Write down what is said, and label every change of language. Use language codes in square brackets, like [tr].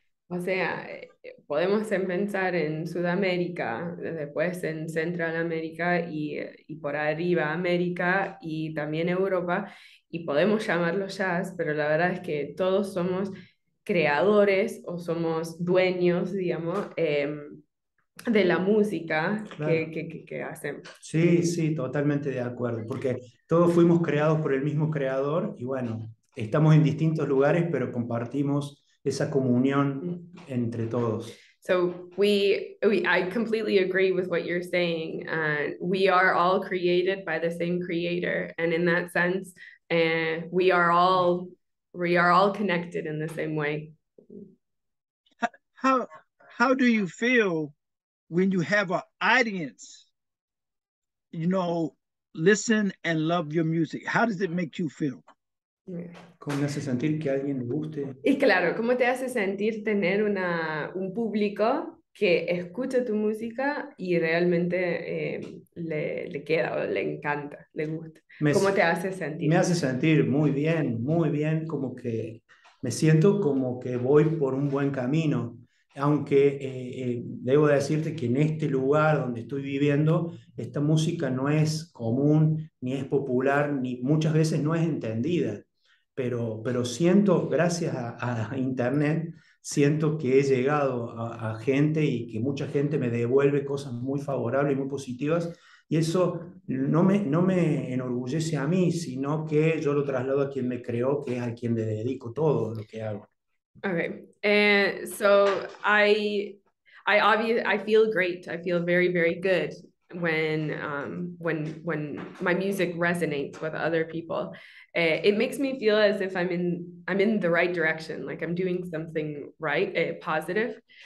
[es] O sea, podemos pensar en Sudamérica, después en Central America y por arriba América y también Europa, y podemos llamarlo jazz, pero la verdad es que todos somos creadores o somos dueños, digamos, de la música que hacemos. Sí, sí, totalmente de acuerdo, porque todos fuimos creados por el mismo creador y bueno, estamos en distintos lugares, pero compartimos esa comunión entre todos. [en] So I completely agree with what you're saying. We are all created by the same creator, and in that sense, we are all connected in the same way. How do you feel when you have an audience, you know, listen and love your music? How does it make you feel? [es] ¿Cómo me hace sentir que alguien le guste? Y claro, ¿cómo te hace sentir tener un público que escucha tu música y realmente le queda o le encanta, le gusta? ¿Cómo te hace sentir? Me hace sentir muy bien, como que me siento como que voy por un buen camino. Aunque debo decirte que en este lugar donde estoy viviendo, esta música no es común, ni es popular, ni muchas veces no es entendida. Pero siento, gracias a internet, siento que he llegado a gente y que mucha gente me devuelve cosas muy favorables y muy positivas. Y eso no me enorgullece a mí, sino que yo lo traslado a quien me creó, que es a quien le dedico todo lo que hago. [en] Okay, so I feel great. I feel very, very good when my music resonates with other people. It makes me feel as if I'm in the right direction, like I'm doing something right, positive.